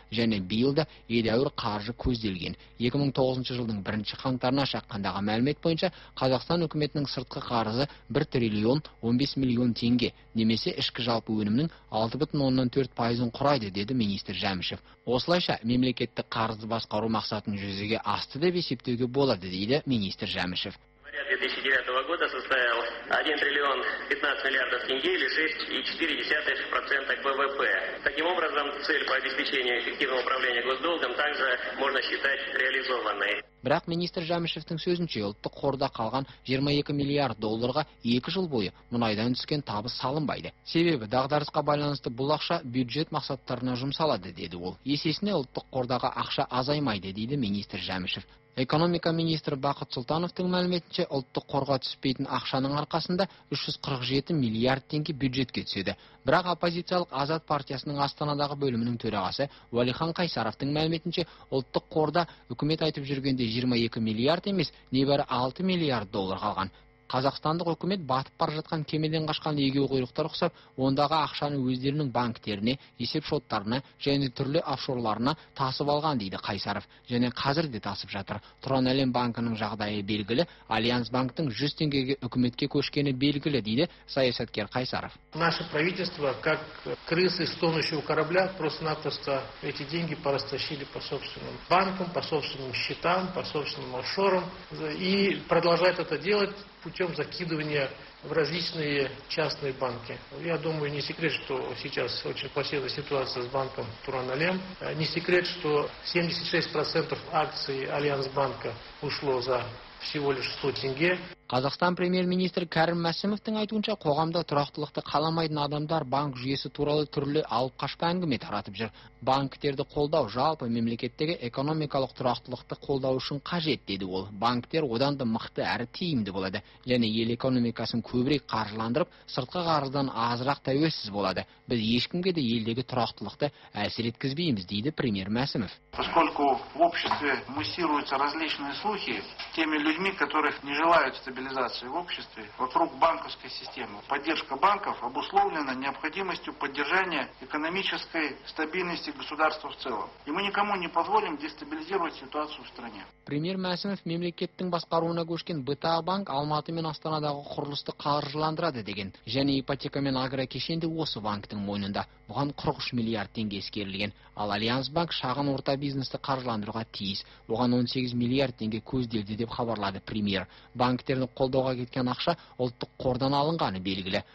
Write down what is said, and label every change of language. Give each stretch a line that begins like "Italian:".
Kazakh: Және биыл да едәуір қаржы көзделген. 2009 жылдың 1 қаңтарына шаққандағы мәлімет бойынша Қазақстан үкіметінің сыртқы қарызы 1 триллион 15 миллион теңге, немесе ішкі жалпы өнімнің 6,4%-ын құрайды деді министр Жәмішев. Осылайша мемлекеттік қарызды басқару мақсатын жүзеге асты деп есептеуге болады дейді министр Жәмішев.
Russian: 2009 года составил 1 триллион 15 миллиардов тенге или 6,4% к ВВП. Таким образом, цель по обеспечению эффективного управления госдолгом также можно считать реализованной.
Kazakh: Бірақ министр Жәмішевтің сөзінше ұлттық қорда қалған 22 миллиард долларға 2 жыл бойы мұнайдан түскен табыс салынбайды. Себебі дағдарысқа байланысты бұл ақша бюджет мақсаттарына жұмсалады деді ол. Есесіне ұлттық қордағы ақша азаймайды дейді министр Жәмішев. Экономика министрі Бақыт Сұлтановтың мәліметінше ұлттық қорға түспейтін ақшаның арқасында 347 миллиард теңге бюджетке түседі. Бірақ оппозициялық Азат партиясының Астанадағы бөлімінің төрағасы Уәлихан Қайсаровтың мәліметінше ұлттық қорда үкімет айтып жүргенде 22 миллиард емес, небәрі 6 миллиард доллар қалған. Қазақстандық үкімет батып бара жатқан кемеден қашқан егеу құйрықтар ұқсап, ондағы ақшаны өздерінің банктеріне, есеп шоттарына және түрлі офшорларына тасып алған дейді Қайсаров. Және қазір де тасып жатыр. Тұран Әлем банкінің жағдайы белгілі, Альянс банктің 100 теңгеге үкіметке көшкені белгілі дейді саясаткер Қайсаров.
Russian: Наше правительство, как крысы с тонущего корабля, просто-напросто эти деньги порастащили по собственным банкам, по собственным счетам, по собственным офшорам и продолжает это делать путем закидывания в различные частные банки. Я думаю, не секрет, что сейчас очень плохая ситуация с банком Туран-Алем. Не секрет, что 76% акций Альянс-банка ушло за всего лишь 100 тенге.
Kazakh: Қазақстан премьер-министрі Кәрім Мәсімовтің айтуынша, қоғамда тұрақтылықты қаламайтын адамдар банк жүйесі туралы түрлі алып қашпа әңгіме таратып жүр. Банктерді қолдау жалпы мемлекеттегі экономикалық тұрақтылықты қолдау үшін қажет деді ол. Банктер одан да мықты әрі тиімді болады, және ел экономикасын көбірек қаржыландырып, сыртқы қарыздан азырақ тәуелсіз болады. Біз ешкімге де елдегі тұрақтылықты әсер еткізбейміз дейді премьер Мәсімов.
Russian: Поскольку в обществе муссируются различные слухи теми людьми, которых не желают стабилизации в обществе, вокруг банковской системы. Поддержка банков обусловлена необходимостью поддержания экономической стабильности государства в целом. И мы никому не позволим дестабилизировать ситуацию в стране.
Kazakh: Премьер Мәсімов мемлекеттің басқаруына көшкен БТА банк Алматы мен Астанадағы құрылысты қаржыландырады деген. Және ипотека мен агрокешенді осы банктің мойнында. Бұған 43 миллиард теңге ескерілген. Ал Альянс банк шағын орта бизнесті қаржыландыруға тиіс. Оған 18 миллиард теңге көзделді деп хабарлады премьер. Банктердің қолдауға кеткен ақша ұлттық қордан алынғаны белгілі.